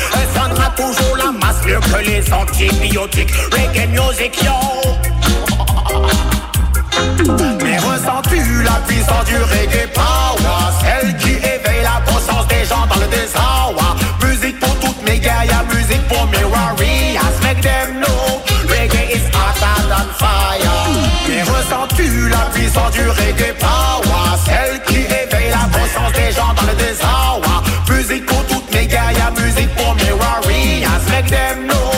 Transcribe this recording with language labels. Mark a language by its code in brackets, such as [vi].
[fr] Elle sentra toujours la masse mieux que les antibiotiques. [en] Reggae music, yo. [fr] Mais ressens-tu la puissance du reggae power? Celle qui éveille la conscience des gens dans le désarroi. Musique pour toutes mes guerrières, musique pour mes warriors. [en] Make them know reggae is hotter than fire. [fr] Mais ressens-tu la puissance du reggae power? Celle qui éveille la conscience des gens dans le désarroi. Musique pour toutes mes guerrières, musique pour mes warriors. [en] Make them know.